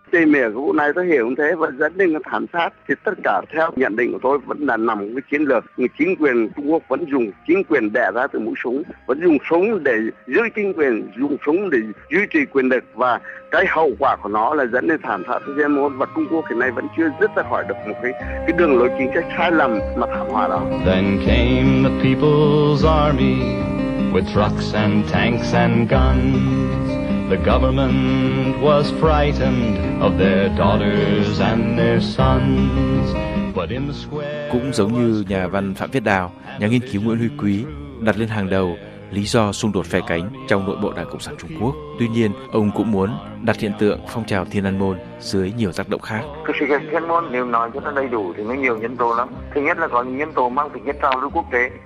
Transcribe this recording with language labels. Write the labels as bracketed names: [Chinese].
[Vietnamese] Tên mẹ của vụ này tôi hiểu như thế và dẫn đến cái thảm sát, thì tất cả theo nhận định của tôi vẫn là nằm cái chiến lược người chính quyền Trung Quốc vẫn dùng chính quyền đẻ ra từ mũi súng, vẫn dùng súng để giữ chính quyền, dùng súng để duy trì quyền lực, và cái hậu quả của nó là dẫn đến thảm sát Thiên An Môn, và Trung Quốc hiện nay vẫn chưa dứt ra khỏi được một cái đường lối chính sách sai lầm mà thảm họa đó. [English] Then came the people's army with trucks and tanks and guns. The government was frightened of their daughters and their sons. [Vietnamese] Cũng giống như nhà văn Phạm Viết Đào, nhà nghiên cứu Nguyễn Huy Quý đặt lên hàng đầu lý do xung đột phe cánh trong nội bộ Đảng Cộng sản Trung Quốc. Tuy nhiên, ông cũng muốn đặt hiện tượng phong trào Thiên An Môn dưới nhiều tác động khác. Cái sự kiện Thiên An Môn nếu nói cho nó đầy đủ thì nó nhiều nhân tố lắm. Thứ nhất là có những nhân tố mang tính chất trào lưu quốc tế.